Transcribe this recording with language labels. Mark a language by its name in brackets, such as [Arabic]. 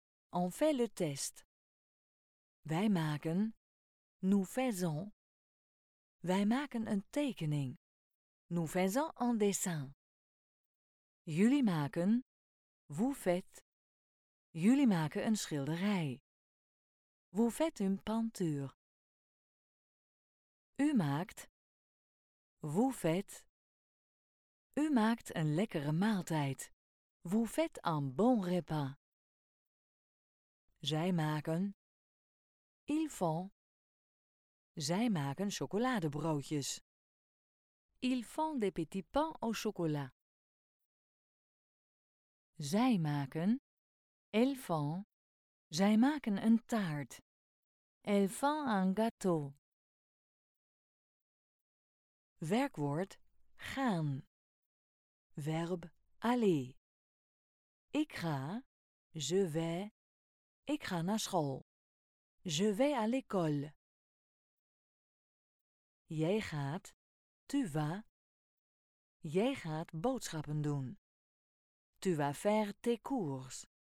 [French] On fait le test. [Dutch] Wij maken. [French] Nous faisons. [Dutch] Wij maken een tekening. [French] Nous faisons un dessin. [Dutch] Jullie maken. [French] Vous faites. [Dutch] Jullie maken een schilderij. [French] Vous faites une peinture. [Dutch] U maakt. [French] Vous faites. [Dutch] U maakt een lekkere maaltijd. [French] Vous faites un bon repas. [Dutch] Zij maken. [French] Ils font. [Dutch] Zij maken chocoladebroodjes. [French] Ils font des petits pains au chocolat. [Dutch] Zij maken. [French] Elles font. [Dutch] Zij maken een taart. [French] Elles font un gâteau. [Dutch] Werkwoord gaan. Verb aller. Ik ga. [French] Je vais. [Dutch] Ik ga naar school. [French] Je vais à l'école. [Dutch] Jij gaat. [French] Tu vas. [Dutch] Jij gaat boodschappen doen. [French] Tu vas faire tes courses.